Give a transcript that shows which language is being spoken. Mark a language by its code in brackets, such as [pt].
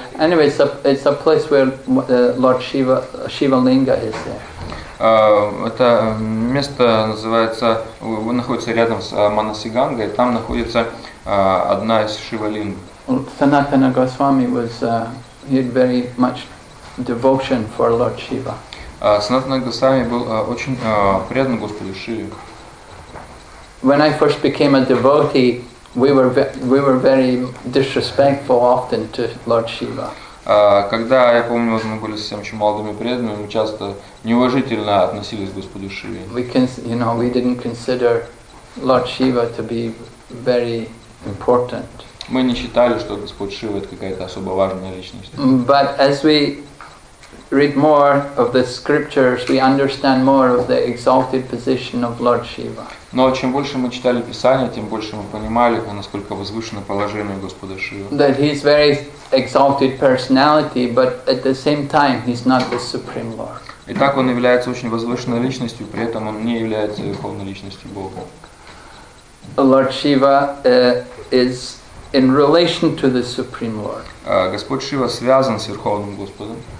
[en] Anyway, it's a place where Lord Shiva Linga is there. [ru] Это место называется, находится рядом с Манасигангой, там находится одна из Шивалинг. [en] Sanatana Goswami was he had very much devotion for Lord Shiva. [ru] Санатана Госвами был очень предан Господу Шиве. [en] When I first became a devotee, we were very disrespectful often to Lord Shiva. [ru] Когда я помню, мы были совсем очень молодыми преданными, мы часто неуважительно относились к Господу Шиве. [en] We didn't consider Lord Shiva to be very important. [ru] Мы не считали, что Господь Шива это какая-то особо важная личность. [en] But as we read more of the scriptures, we understand more of the exalted position of Lord Shiva. [ru] Но чем больше мы читали Писание, тем больше мы понимали, насколько возвышено положение Господа Шивы. [en] That he is very exalted personality, but at the same time he's not the supreme Lord. [ru] Итак, он является очень возвышенной личностью, при этом он не является верховной личностью Бога. [en] Lord Shiva is in relation to the supreme Lord. [ru] Господь Шива связан с верховным Господом.